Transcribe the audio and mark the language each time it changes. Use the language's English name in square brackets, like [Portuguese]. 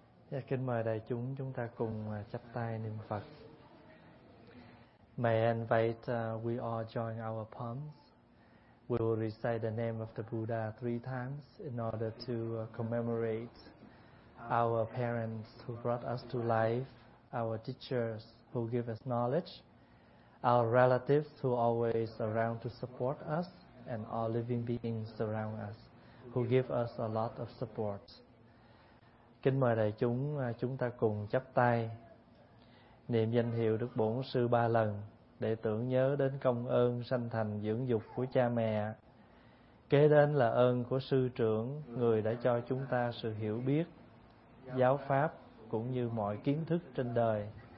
[Vietnamese] Dạ, kính mời đại chúng chúng ta cùng chắp tay niệm Phật. [English] May I invite we all join our palms. We will recite the name of the Buddha three times in order to commemorate our parents who brought us to life, our teachers who give us knowledge, our relatives who are always around to support us, and all living beings around us who give us a lot of support. [Vietnamese] Kính mời đại chúng chúng ta cùng chắp tay niệm danh hiệu Đức Bổn Sư ba lần để tưởng nhớ đến công ơn sanh thành dưỡng dục của cha mẹ. Kế đến là ơn của sư trưởng, người đã cho chúng ta sự hiểu biết, giáo pháp cũng như mọi kiến thức trên đời.